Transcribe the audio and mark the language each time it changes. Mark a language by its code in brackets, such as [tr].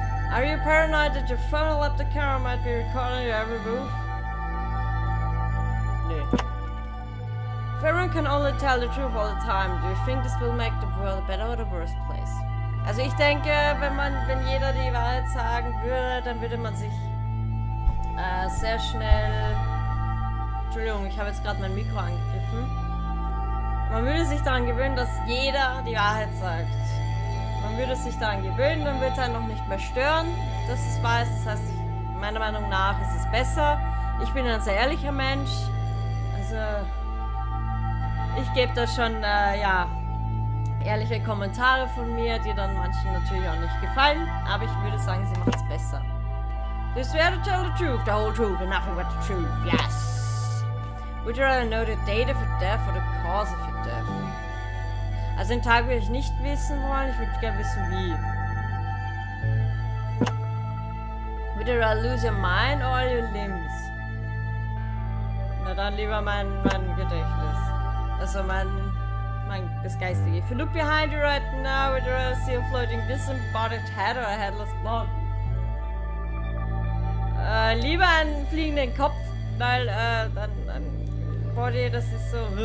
[en] Are you paranoid that your phone or laptop camera might be recording your every move? [de] Nee. [en] If everyone can only tell the truth all the time, do you think this will make the world a better or the worse place? [de] Also ich denke, wenn jeder die Wahrheit sagen würde, dann würde man sich sehr schnell... Entschuldigung, ich habe jetzt gerade mein Mikro angegriffen. Man würde sich daran gewöhnen, dass jeder die Wahrheit sagt. Man würde sich daran gewöhnen, dann wird es einen noch nicht mehr stören, dass es wahr ist. Das heißt, meiner Meinung nach ist es besser. Ich bin ein sehr ehrlicher Mensch. Also, ich gebe da schon, ehrliche Kommentare von mir, die dann manchen natürlich auch nicht gefallen. Aber ich würde sagen, sie macht es besser. [en] This way to tell the truth, the whole truth and nothing but the truth, yes. Would you rather know the date of a death or the cause of a death? [de] Also den Tag würde ich nicht wissen wollen, ich würde gerne wissen wie. [en] Would you rather lose your mind or your limbs? [de] Na dann lieber mein Gedächtnis. Also mein das Geistige. [en] If you look behind you right now, would you rather see a floating disembodied head or a headless body? [de] Lieber einen fliegenden Kopf, weil dann ein Body, das ist so.